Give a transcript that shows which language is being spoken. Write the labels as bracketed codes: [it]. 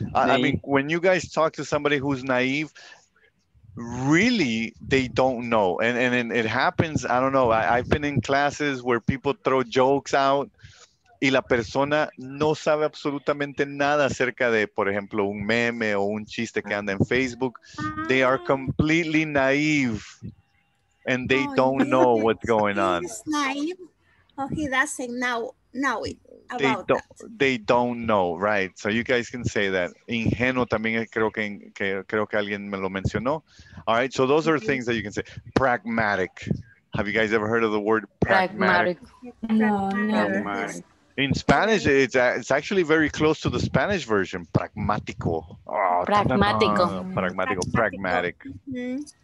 [en] I mean, when you guys talk to somebody who's naive, really, they don't know. And it happens. I don't know. I've been in classes where people throw jokes out. [es] Y la persona no sabe absolutamente nada acerca de, por ejemplo, un meme o un chiste que anda en Facebook. [en] They are completely naive and they don't know what's going on. He's naive or he doesn't know about They don't know, right? So you guys can say that. [es] Ingenuo también creo que alguien me lo mencionó. [en] All right, so those are things that you can say. Pragmatic. Have you guys ever heard of the word pragmatic? No, never. In Spanish, it's actually very close to the Spanish version, pragmático. [es] Pragmático. [en] Pragmatic. Mm-hmm.